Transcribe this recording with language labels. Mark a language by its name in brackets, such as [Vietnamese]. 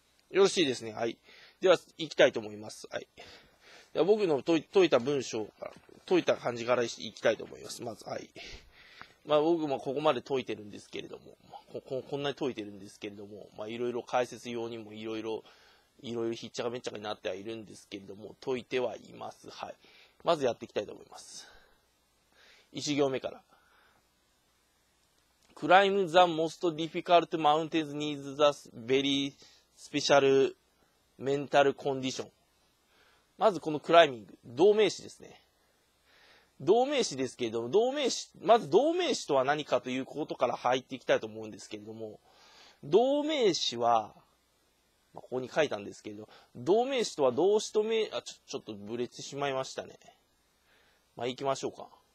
[Japanese] よろしいですね。はい、では、行きたいと思います。はい。では僕の解いた文章から、解いた感じから行きたいと思います。まず、はい。まあ、僕もここまで解いてるんですけれども、こんなに解いてるんですけれども、まあ、いろいろ解説用にもいろいろひっちゃかめっちゃかになってはいるんですけれども、解いてはいます。はい。まずやっていきたいと思います。 1行目から。 [English] Climb the most difficult mountains needs the very special... [Japanese] メンタルコンディション。まずこのクライミング、動名詞ですね。動名詞ですけれども、動名詞とは何かということから入っていきたいと思うんですけれども、動名詞は、まあ、ここに書いたんですけれど、動名詞とは動詞と名、あ、ちょっとブレてしまいましたね。まあ行きましょうか。